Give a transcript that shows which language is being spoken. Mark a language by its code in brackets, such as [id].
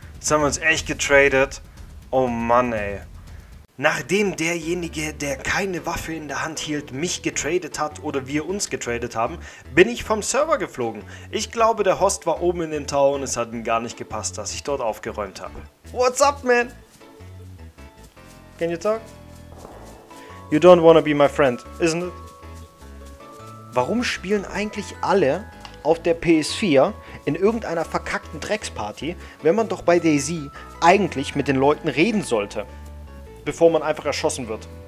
[de] Jetzt haben wir uns echt getradet. Oh, Mann, ey. Nachdem derjenige, der keine Waffe in der Hand hielt, mich getradet hat oder wir uns getradet haben, bin ich vom Server geflogen. Ich glaube, der Host war oben in dem Tower und es hat ihm gar nicht gepasst, dass ich dort aufgeräumt habe. [en] What's up, man? Can you talk? You don't wanna be my friend, isn't it? [de] Warum spielen eigentlich alle auf der PS4 in irgendeiner verkackten Drecksparty, wenn man doch bei DayZ eigentlich mit den Leuten reden sollte, bevor man einfach erschossen wird?